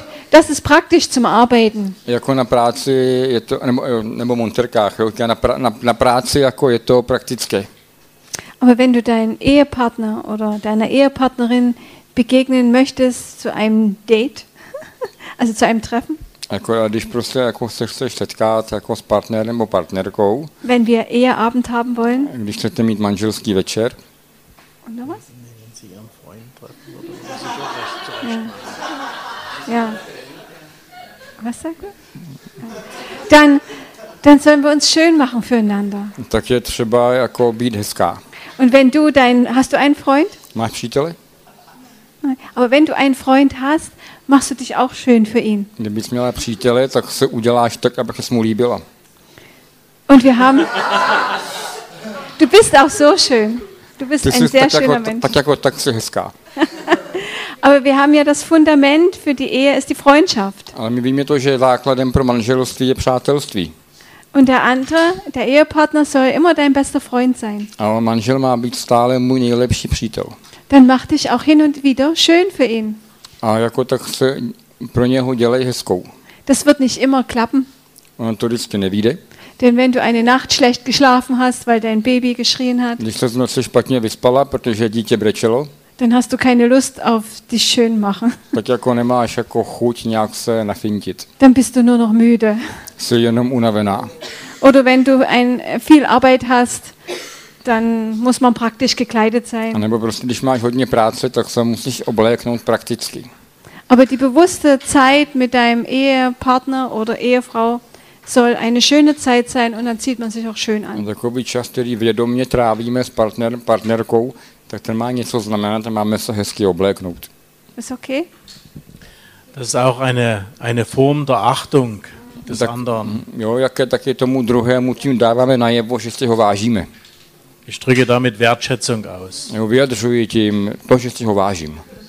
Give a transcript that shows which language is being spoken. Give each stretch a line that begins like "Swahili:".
German: Das ist praktisch zum Arbeiten.
Czech: Jako na práci je to nebo montérkách, jo, na práci jako je to praktické.
German: Aber wenn du deinen Ehepartner oder deiner Ehepartnerin begegnen möchtest zu einem Date, also zu einem Treffen.
Czech: Jako když prostě jako se chceš setkat jako s partnerem nebo partnerkou.
German: Wenn wir Eheabend haben wollen.
Czech: Když chcete mít manželský večer.
German: Und noch was? Ja. Was sagst du? Dann sollen wir uns schön machen füreinander.
Czech: Tak je třeba jako být hezká.
German: Und wenn du hast du einen Freund?
Czech: Máš přítele?
German: Aber wenn du einen Freund hast, machst du dich auch schön für ihn.
Czech: Kdybys měla přítele, tak se uděláš tak, aby ses mu líbila.
German: Und wir haben Du bist auch so schön. Du bist ein sehr schöner Mensch.
Czech: Tak jsi hezká.
German: Aber wir haben ja das Fundament für die Ehe ist die Freundschaft.
Czech: Ale my víme to, že základem pro manželství je přátelství.
German: Und der andere, der Ehepartner soll immer dein bester Freund sein.
Czech: A manžel má být stále můj nejlepší přítel.
German: Dann mach dich auch hin und wieder schön für ihn.
Czech: A jako tak se pro něho dělej hezkou.
German: Das wird nicht immer klappen.
Czech: Ono to vždycky nevíde.
German: Denn wenn du eine Nacht schlecht geschlafen hast, weil dein Baby geschrien hat.
Czech: Když se noc špatně vyspala, protože dítě brečelo.
German: Dann hast du keine Lust auf dich schön machen.
Czech: Tak jako nemáš jako chuť nějak se nafintit.
German: Dann bist du nur noch müde.
Czech: Jsi jenom unavená.
German: Oder wenn du viel Arbeit hast, dann muss man praktisch gekleidet sein.
Czech: A nebo prostě, když máš hodně práce, tak se musíš obléknout prakticky.
German: Aber die bewusste Zeit mit deinem Ehepartner oder Ehefrau soll eine schöne Zeit sein und dann zieht man sich auch schön an.
Czech: Takový čas, který vědomě trávíme s partnerkou, tak ten má něco znamenat, máme se hezky obléknout.
German: Ist okay? Das ist auch eine Form der Achtung des anderen.
Czech: Jo, jaké taky tomu druhému tím dáváme najevo, že si ho vážíme.
German: Ich drücke damit Wertschätzung aus.
Czech: Jo, vyjadřuji tím to, že si ho vážím.